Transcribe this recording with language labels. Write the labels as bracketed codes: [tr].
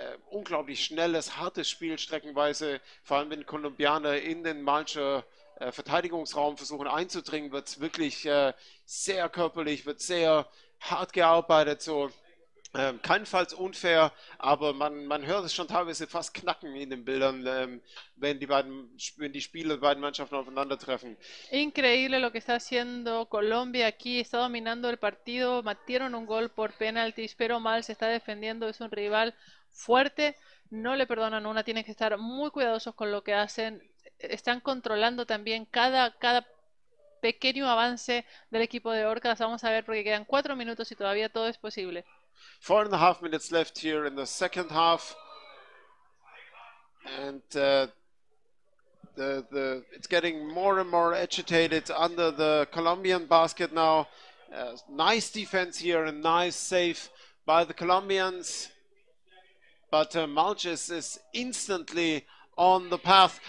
[de] Unglaublich schnelles, hartes Spiel streckenweise. Vor allem wenn Kolumbianer in den Malscher Verteidigungsraum versuchen einzudringen, wird es wirklich sehr körperlich, wird sehr hart gearbeitet. So. Keinesfalls unfair, aber man hört es schon teilweise fast knacken in den Bildern, wenn die Spieler der beiden Mannschaften aufeinandertreffen. [es] Increíble lo que está haciendo Colombia aquí, está dominando el partido, metieron un gol por penaltis, pero mal se está defendiendo, es un rival fuerte, no le perdonan una, tienen que estar muy cuidadosos con lo que hacen, están controlando también cada pequeño avance del equipo de Orcas, vamos a ver porque quedan 4 minutos y todavía todo es posible. [en] 4.5 minutes left here in the second half, and it's getting more and more agitated under the Colombian basket now. Nice defense here and nice save by the Colombians, but Malsch is instantly on the path.